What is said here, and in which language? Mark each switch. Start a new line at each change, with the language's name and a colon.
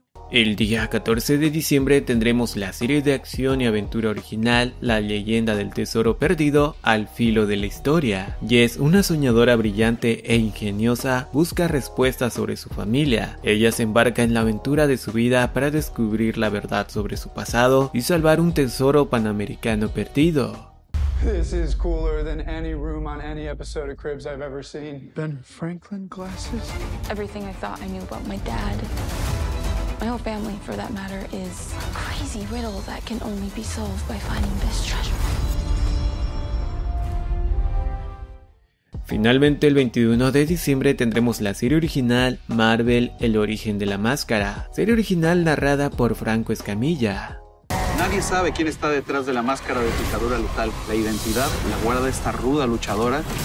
Spanish: El día 14 de diciembre tendremos la serie de acción y aventura original La leyenda del tesoro perdido al filo de la historia. Jess, una soñadora brillante e ingeniosa, busca respuestas sobre su familia. Ella se embarca en la aventura de su vida para descubrir la verdad sobre su pasado y salvar un tesoro panamericano perdido.
English: This is cooler than any room on any episode of Cribs I've ever seen. Ben Franklin glasses. Everything I thought I knew about my dad. My whole family, for that matter, is a crazy riddle that can only be solved by finding this treasure.
Spanish: Finalmente, el 21 de diciembre tendremos la serie original Marvel, El origen de la máscara. Serie original narrada por Franco Escamilla. Nadie sabe quién está detrás de la máscara de picadura letal. La identidad la guarda esta ruda luchadora.